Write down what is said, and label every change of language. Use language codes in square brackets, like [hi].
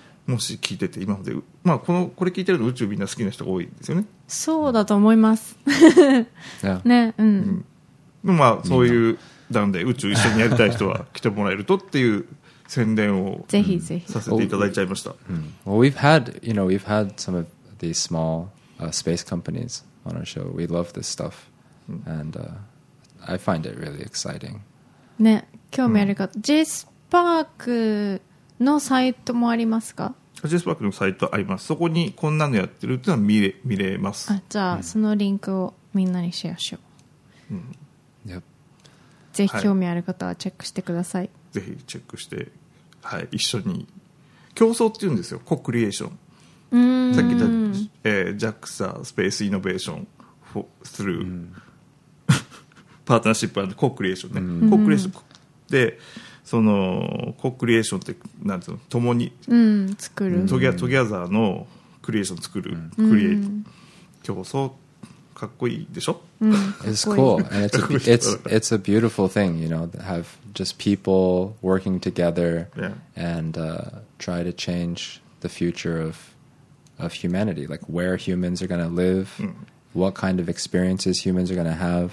[ja] もし聞いてて今まで、まあ、これ聞いてると宇宙みんな好きな人が多いんですよね。そうだと思います、ね、うん、うん、まあ、そういうなんで宇宙一緒にやりたい人は来てもらえるとっていう宣伝をぜひぜひさせていただいちゃいました。 [en] うん、well, we've had, you know, we've had some ofthese small space companies on our show. We love this stuff, and I find it really exciting. [ja] ね、興味ある方、うん、J スパークのサイトもありますか？ J スパークのサイトあります。そこにこんなのやってるっていうのは見れます。あ、じゃあ、うん、そのリンクをみんなにシェアしよう。うん、yep. ぜひ興味ある方はチェックしてください。はい、ぜひチェックして、はい、一緒に競争っていうんですよ、コクリエーション。うん、さっき言った、JAXA スペースイノベーションフォスルー、うん、パートナーシップコークリエーションね、うん、コークリエーションで、そのコークリエーションってなんていうの、共に、うん、作る、トギャザーのクリエーション作る、うん、クリエイト競争、かっこいいでしょ、うん、 [en] It's cool and it's a beautiful thing, you know, have just people working together、 yeah. and try to change the future of humanity, like where humans are going to live,、 mm. what kind of experiences humans are going to have,、